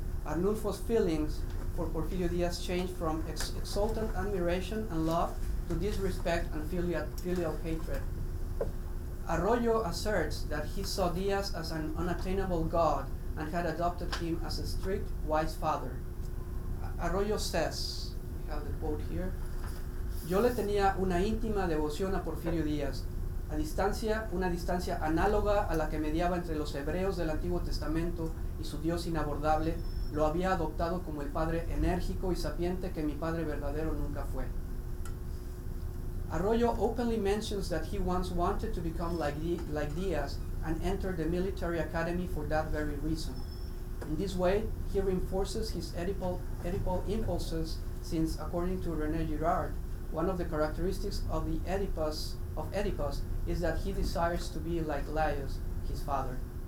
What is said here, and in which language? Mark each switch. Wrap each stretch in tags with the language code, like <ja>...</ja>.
<en>Arnulfo's feelings for Porfirio Diaz change from exultant admiration and love to disrespect and filial hatred. Arroyo asserts that he saw Diaz as an unattainable god and had adopted him as a strict, wise father. Arroyo says, we have the quote here,</en> <es>yo le tenía una íntima devoción a Porfirio Díaz, una distancia análoga a la que mediaba entre los hebreos del Antiguo Testamento y su Dios inabordable, lo había adoptado como el padre enérgico y sapiente que mi padre verdadero nunca fue.</es> <en>Arroyo openly mentions that he once wanted to become like Díaz and entered the military academy for that very reason. In this way, he reinforces his Oedipal impulses since, according to René Girard, one of the characteristics of the Oedipus is that he desires to be like Laius, his father.</en>